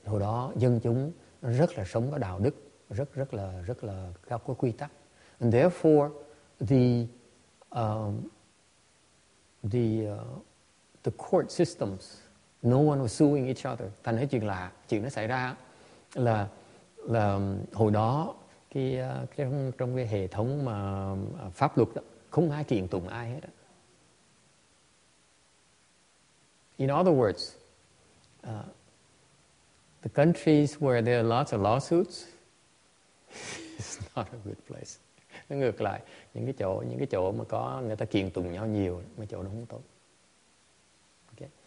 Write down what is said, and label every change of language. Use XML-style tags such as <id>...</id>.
<vi>Hồi đó dân chúng rất là sống có đạo đức, rất là cao, có quy tắc.</vi> <en>And therefore, the court systems, no one was suing each other.</en> <vi>Thành ra chuyện lạ, chuyện nó xảy ra là hồi đó trong cái hệ thống mà pháp luật đó, không ai kiện tụng ai hết.</vi> <en>In other words, the countries where there are lots of lawsuits, it's not a good place.</en> <vi>Nó ngược lại, những cái chỗ mà có người ta kiện tụng nhau nhiều, mấy chỗ nó không tốt. Okay.</vi>